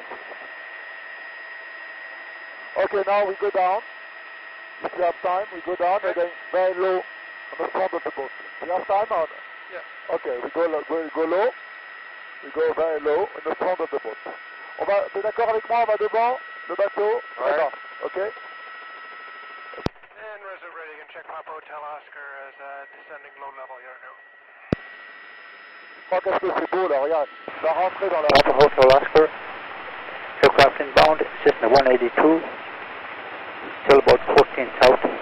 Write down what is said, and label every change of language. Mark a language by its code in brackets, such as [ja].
[en] Okay, now we go down. If you have time, we go down, okay. Again, very low on the front of the boat. Do you have time on? Yeah. Okay, we go low, we go very low in the front of the boat. [fr] On va, t'es d'accord avec moi, on va devant le bateau, [en] right. [fr] Devant, okay? [en] And Rizzo ready, you can check Papa Hotel Oscar as descending low level, you're new. [fr] Oh, qu'est-ce que c'est beau là, regarde, la rentrée dans la... [en] Papa Hotel Oscar, aircraft inbound, Cessna 182. Still about 14 south.